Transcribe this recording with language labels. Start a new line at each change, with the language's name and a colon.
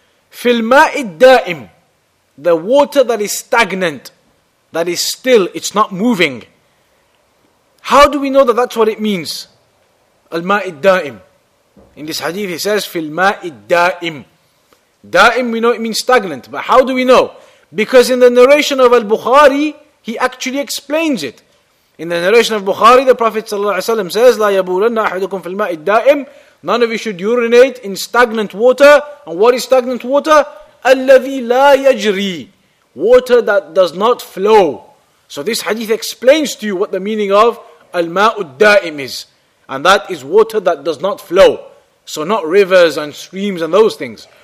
Arabic: في الماء الدائم,
English: the water that is stagnant, that is still, it's not moving. How do we know that that's what it means?
Arabic: الماء الدائم.
English: In this hadith he says,
Arabic: في الماء الدائم.
English: دائم, we know it means stagnant. But how do we know? Because in the narration of Al-Bukhari, he actually explains it. In the narration of Bukhari, the Prophet ﷺ says,
Arabic: لا يبولن أحدكم في الماء الدائم.
English: None of you should urinate in stagnant water. And what is stagnant water?
Arabic: الذي لا يجري.
English: Water that does not flow. So this hadith explains to you what the meaning of
Arabic: الماء الدائم
English: is. And that is water that does not flow. So not rivers and streams and those things.